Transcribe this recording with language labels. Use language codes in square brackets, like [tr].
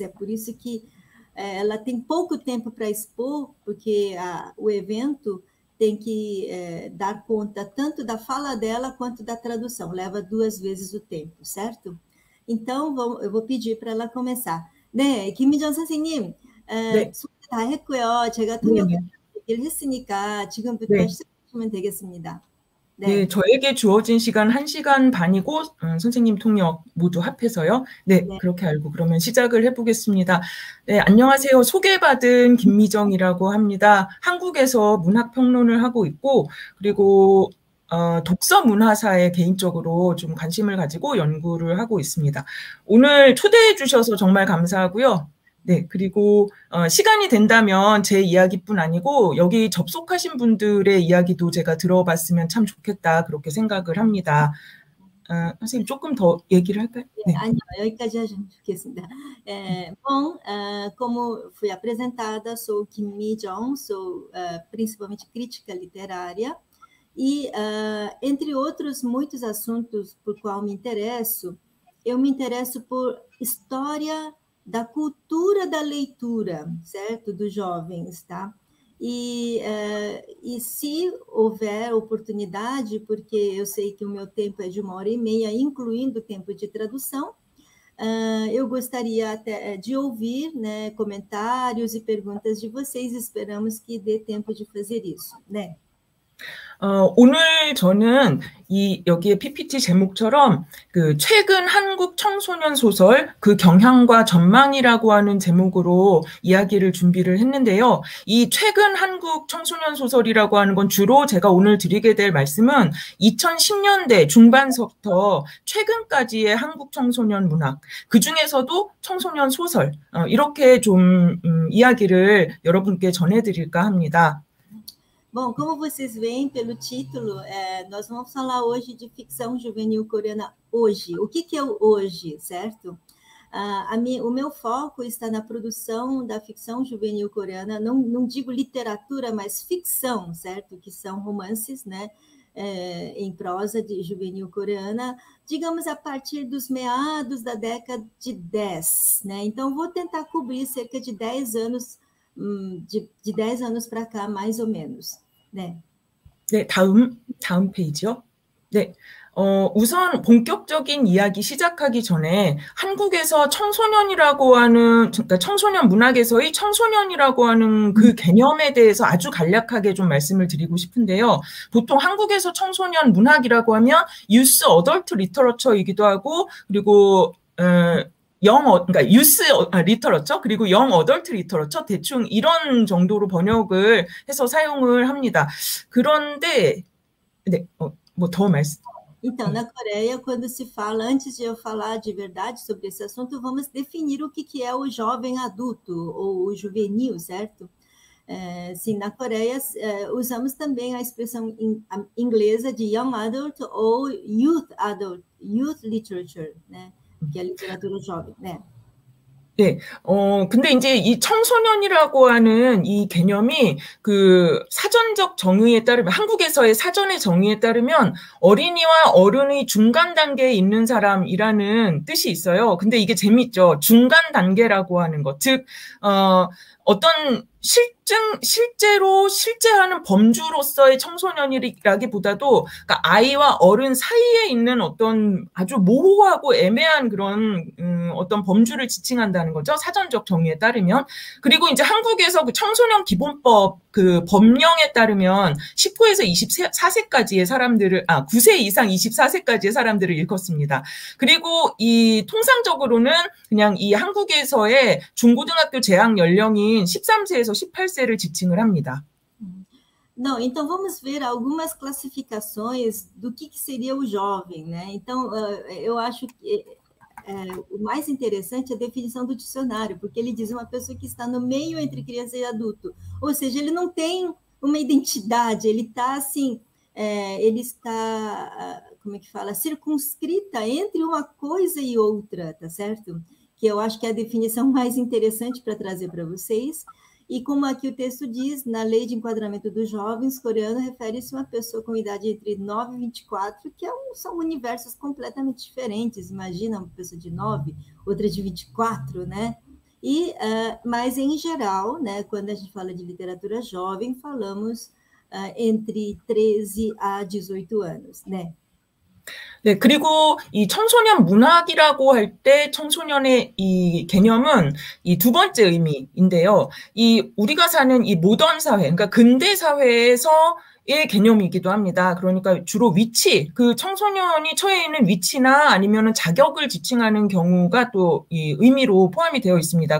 [pt] É por isso que ela tem pouco tempo para expor, porque o evento tem que dar conta tanto da fala dela quanto da tradução. Leva duas vezes o tempo, certo? Então, eu vou pedir para ela começar. [ko] 네, 김미정 선생님, 네. 수고 다 했고요. 제가 통역 얘기를 했으니까 지금부터 시작하시면 되겠습니다. 네. 네. 네, 저에게 주어진 시간 1시간 반이고, 선생님 통역 모두 합해서요. 네, 그렇게 알고 그러면 시작을 해보겠습니다. 네, 안녕하세요. 소개받은 김미정이라고 합니다. 한국에서 문학평론을 하고 있고, 그리고 독서 문화사에 개인적으로 좀 관심을 가지고 연구를 하고 있습니다. 오늘 초대해 주셔서 정말 감사하고요. 네, 그리고 시간이 된다면 제 이야기뿐 아니고 여기 접속하신 분들의 이야기도 제가 들어봤으면 참 좋겠다, 그렇게 생각을 합니다. 선생님, 조금 더 얘기를 할까요? 네. 아니요, 여기까지 하시면 좋겠습니다. [pt] Bom, como fui apresentada, sou Kim Mi-jong, sou principalmente crítica literária e, entre outros muitos assuntos por qual me interesso, eu me interesso por história da cultura da leitura, certo? Dos jovens, tá? E se houver oportunidade, porque eu sei que o meu tempo é de 1 hora e meia, incluindo o tempo de tradução, eu gostaria até de ouvir, né, comentários e perguntas de vocês. Esperamos que dê tempo de fazer isso, né? [ko] 오늘 저는 여기에 PPT 제목처럼 그 최근 한국 청소년 소설 그 경향과 전망이라고 하는 제목으로 이야기를 준비를 했는데요. 이 최근 한국 청소년 소설이라고 하는 건 주로 제가 오늘 드리게 될 말씀은 2010년대 중반서부터 최근까지의 한국 청소년 문학, 그중에서도 청소년 소설, 이렇게 좀 이야기를 여러분께 전해드릴까 합니다. [pt] Bom, como vocês veem pelo título, nós vamos falar hoje de ficção juvenil coreana hoje. O que que é o hoje, certo? O meu foco está na produção da ficção juvenil coreana, não digo literatura, mas ficção, certo? Que são romances, né? Em prosa de juvenil coreana, digamos a partir dos meados da década de 10, né? Então, vou tentar cobrir cerca de 10 anos, de 10 anos para cá, mais ou menos, né? [ko] 네, 다음 페이지요. 네, 우선 본격적인 이야기 시작하기 전에 한국에서 청소년이라고 하는, 그러니까 청소년 문학에서의 청소년이라고 하는 그 개념에 대해서 아주 간략하게 좀 말씀을 드리고 싶은데요. 보통 한국에서 청소년 문학이라고 하면 유스 어덜트 리터러처이기도 하고, 그리고 그러니까 유스 리터러처 그리고 영 어덜트 리터러처 대충 이런 정도로 번역을 해서 사용을 합니다. 그런데 네, 뭐더 말씀. [pt] Então, na Coreia, quando se fala, antes de eu falar de verdade sobre esse assunto, vamos definir o que que é o jovem adulto ou o juvenil, certo? Sim, na Coreia, usamos também a expressão inglesa de young adult ou youth adult, youth literature, né? Que é a literatura jovem, né? [ko] 네, 근데 이제 이 청소년이라고 하는 이 개념이 그 사전적 정의에 따르면, 한국에서의 사전의 정의에 따르면 어린이와 어른의 중간 단계에 있는 사람이라는 뜻이 있어요. 근데 이게 재밌죠. 중간 단계라고 하는 것. 즉, 어떤 실제로 실재하는 범주로서의 청소년이라기보다도, 그러니까 아이와 어른 사이에 있는 어떤 아주 모호하고 애매한 그런 어떤 범주를 지칭한다는 거죠. 사전적 정의에 따르면. 그리고 이제 한국에서 그 청소년 기본법 그 법령에 따르면 19에서 24세까지의 사람들을, 아, 9세 이상 24세까지의 사람들을 일컫습니다. 그리고 이 통상적으로는 그냥 이 한국에서의 중고등학교 재학 연령인 13세에서 18세를 지칭을 합니다. [pt] Não, então vamos ver algumas classificações do que seria o jovem, né? Então, eu acho que o mais interessante é a definição do dicionário, porque ele diz uma pessoa que está no meio entre criança e adulto, ou seja, ele não tem uma identidade, ele está assim, ele está, como é que fala, circunscrita entre uma coisa e outra, tá certo? Que eu acho que é a definição mais interessante para trazer para vocês. E como aqui o texto diz, na lei de enquadramento dos jovens coreanos, refere-se a uma pessoa com idade entre 9 e 24, que são universos completamente diferentes. Imagina uma pessoa de 9, outra de 24, né? Mas em geral, né, quando a gente fala de literatura jovem, falamos entre 13 a 18 anos, né? [ko] 네, 그리고 이 청소년 문학이라고 할때 청소년의 이 개념은 이두 번째 의미인데요. 이 우리가 사는 이 모던 사회, 그러니까 근대 사회에서의 개념이기도 합니다. 그러니까 주로 위치, 그 청소년이 처해 있는 위치나 아니면은 자격을 지칭하는 경우가 또이 의미로 포함이 되어 있습니다.